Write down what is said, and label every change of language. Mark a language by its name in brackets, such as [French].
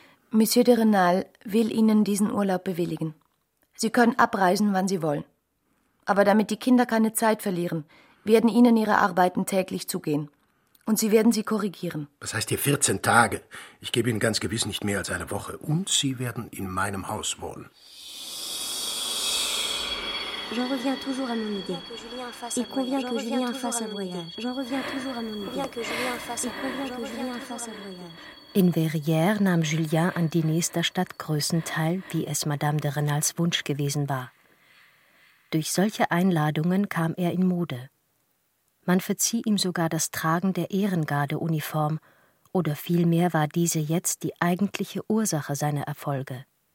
[German] Monsieur de Renal will Ihnen diesen Urlaub bewilligen. Sie können abreisen, wann Sie wollen. Aber damit die Kinder keine Zeit verlieren, werden Ihnen Ihre Arbeiten täglich zugehen. Und Sie werden sie korrigieren. Was heißt hier 14 Tage? Ich gebe Ihnen ganz gewiss nicht mehr als eine Woche. Und Sie werden in meinem Haus wohnen. [French] J'en reviens toujours à mon idée. Il convient que Julien fasse un voyage. J'en reviens toujours à mon idée. Il convient que Julien fasse un voyage. [German] In Verrières nahm Julien an Diners der Stadt größtenteils, wie es Madame de Renals Wunsch gewesen war. Durch solche Einladungen kam er in Mode. Man verzieh ihm sogar das Tragen der Ehrengarde-Uniform, oder vielmehr war diese jetzt die eigentliche Ursache seiner Erfolge.